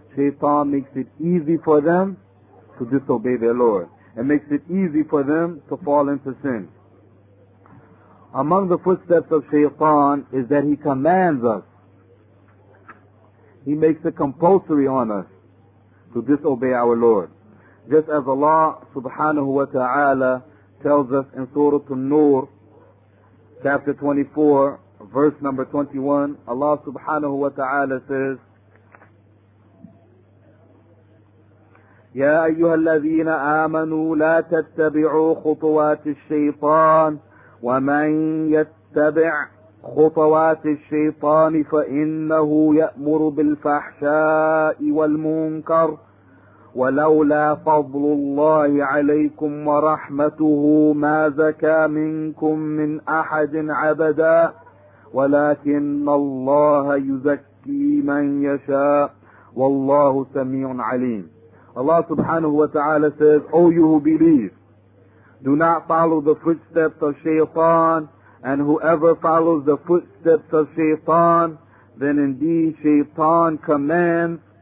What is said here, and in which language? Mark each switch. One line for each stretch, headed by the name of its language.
English: Shaitan makes it easy for them to disobey their Lord, and makes it easy for them to fall into sin. Among the footsteps of shaitan is that he commands us, he makes it compulsory on us to disobey our Lord. Just as Allah subhanahu wa ta'ala tells us in Surah An-Nur, chapter 24, verse number 21, Allah subhanahu wa ta'ala says,
Arabic: يَا أَيُّهَا الَّذِينَ آمَنُوا لَا تَتَّبِعُوا خُطُوَاتِ الشَّيْطَانِ وَمَنْ يَتَّبِعْ خُطُوَاتِ الشَّيْطَانِ فَإِنَّهُ يَأْمُرُ بِالْفَحْشَاءِ وَالْمُنْكَرِ ولولا فضل الله عليكم ورحمته ما زكى منكم من أحد عبدا ولكن الله يزكي من يشاء والله سميع عليم.
English: Allah subhanahu wa ta'ala says, O you who believe, do not follow the footsteps of shaytan, and whoever follows the footsteps of shaytan, then indeed shaytan commands